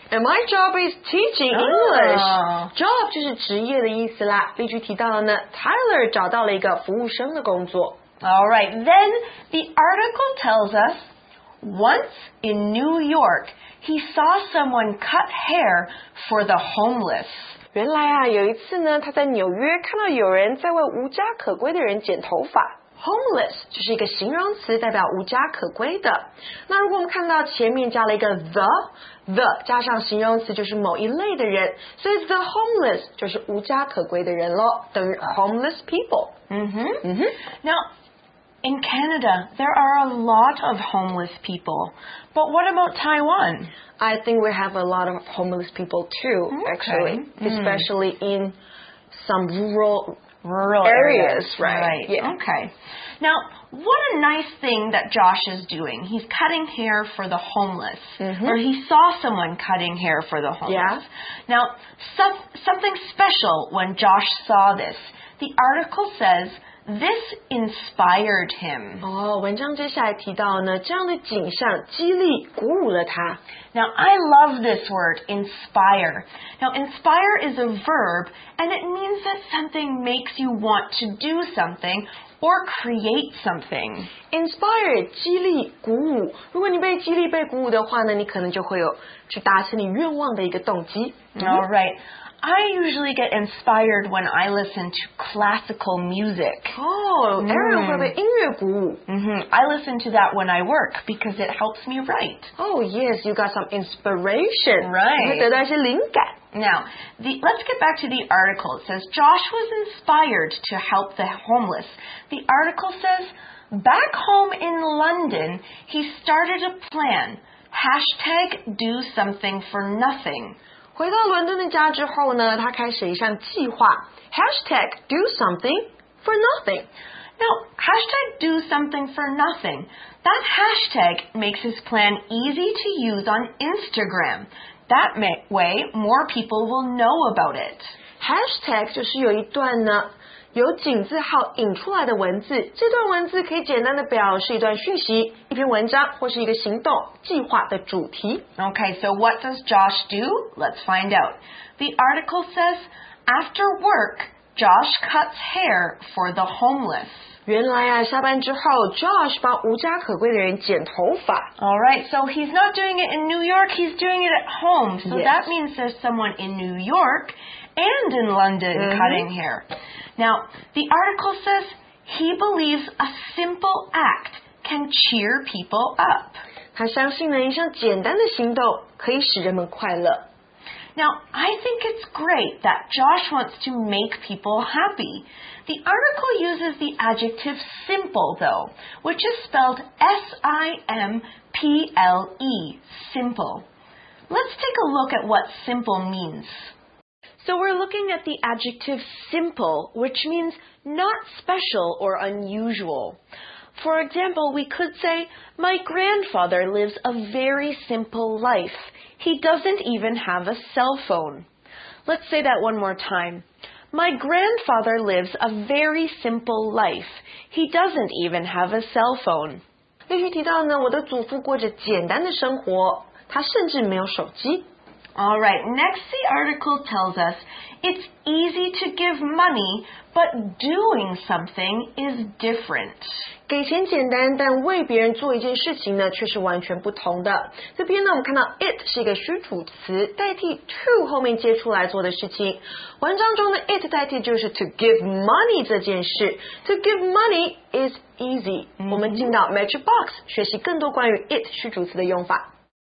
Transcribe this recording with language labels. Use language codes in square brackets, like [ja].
[en] And my job is teaching English. Job [zh] 就是职业的意思啦。例句提到了呢， Tyler 找到了一个服务生的工作。 [en] All right, then the article tells us, once in New York, he saw someone cut hair for the homeless. [zh] 原来啊，有一次呢，他在纽约看到有人在为无家可归的人剪头发。 Homeless 就是一个形容词，代表无家可归的。那如果我们看到前面加了一个 the 加上形容词，就是某一类的人，所以 the homeless 就是无家可归的人喽，等于 homeless people。 [en] Now in Canada there are a lot of homeless people, but what about Taiwan? I think we have a lot of homeless people too, actually, especially in some rural areas, right? Yeah. Okay. Now, what a nice thing that Josh is doing. He's cutting hair for the homeless, or he saw someone cutting hair for the homeless. Yeah. Now, something special when Josh saw this, the article says... This inspired him. [zh] 文章接下来提到呢，这样的景象激励鼓舞了他。 [en] Now, I love this word, inspire. Now, inspire is a verb, and it means that something makes you want to do something or create something. [zh] Inspire, 激励鼓舞。如果你被激励被鼓舞的话呢，你可能就会有去达成你愿望的一个动机。 [en] All right. I usually get inspired when I listen to classical music. Oh, Aaron, for the [zh] 音乐鼓舞。 [en] I listen to that when I work because it helps me write. Oh, yes, you got some inspiration. Right. [zh] 你会得到一些灵感。 [en] Now, let's get back to the article. It says, Josh was inspired to help the homeless. The article says, back home in London, he started a plan. Hashtag do something for nothing. [zh] 回到伦敦的家之后呢，他开始一项计划 , [en] #hashtag do something for nothing. Now, hashtag do something for nothing. That hashtag makes his plan easy to use on Instagram. That way, more people will know about it. [zh] Hashtag 就是有一段呢由井字号引出来的文字，这段文字可以简单的表示一段讯息、一篇文章或是一个行动、计划的主题。 [en] Okay, so what does Josh do? Let's find out. The article says, after work, Josh cuts hair for the homeless. [zh] 原来啊，下班之后 Josh 帮无家可归的人剪头发。 [en] Alright, so he's not doing it in New York, he's doing it at home. So yes, that means there's someone in New YorkAnd in London, cutting hair. Now, the article says he believes a simple act can cheer people up. [zh] 他相信呢，一项简单的行动可以使人们快乐。 [en] Now, I think it's great that Josh wants to make people happy. The article uses the adjective simple, though, which is spelled S-I-M-P-L-E, simple. Let's take a look at what simple means. So we're looking at the adjective simple, which means not special or unusual. For example, we could say, my grandfather lives a very simple life. He doesn't even have a cell phone. Let's say that one more time. My grandfather lives a very simple life. He doesn't even have a cell phone. [zh] 例如提到呢，我的祖父过着简单的生活，他甚至没有手机。 [en] Alright, next the article tells us, it's easy to give money, but doing something is different. [zh] 给钱简单，但为别人做一件事情呢，却是完全不同的。这边呢，我们看到 it 是一个虚主词，代替 to 后面接出来做的事情。文章中的 it 代替就是 to give money 这件事。 [en] To give money is easy. [zh] 我们进到 Match Box 学习更多关于 it 虚主词的用法。